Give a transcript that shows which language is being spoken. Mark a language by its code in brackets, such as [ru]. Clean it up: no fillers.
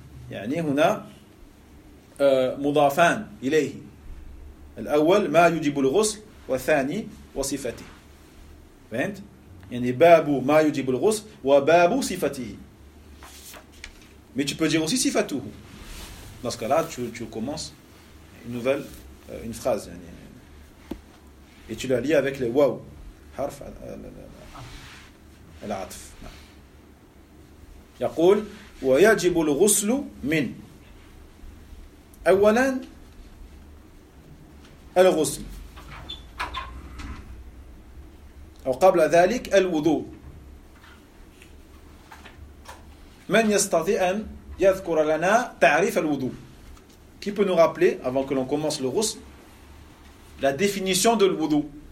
[ar] يعني هنا مضافان إليه الأول ما يجب الغسل والثاني وصفته فهمت؟ يعني باب ما يجب الغسل وباب صفته. [fr] Mais tu peux dire aussi صفته. Dans ce cas-là, tu commences une nouvelle, une phrase. يعني. Et tu la lis avec le waw. حرف العطف. [ar] يقول ويجب الغسل من أولا الغسل أو قبل ذلك الوضوء. من يستطيع أن يذكر لنا تعريف الوضوء؟ [fr] Qui peut nous rappeler avant que l'on commence le ghusl la définition de l'wudu?